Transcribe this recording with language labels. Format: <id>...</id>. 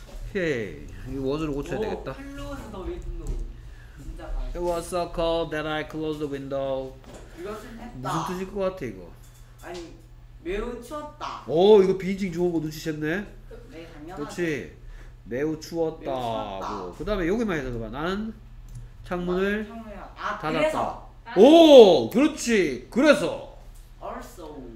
<ko>오케이 이 워드를 고쳐야 되겠다.</ko> <en>Closed the window. It was so cold that I closed the window.</en> <ko>무슨 뜻일 것 같아 이거? 아니 매우 추웠다. 오 이거 비징 좋은 거 눈치챘네. 네 당연하죠. 그렇지 매우 추웠다. 뭐. 그 다음에 여기만 해서 봐. 나는 창문을 닫았다. 오 그렇지 그래서</ko> <en>also</en>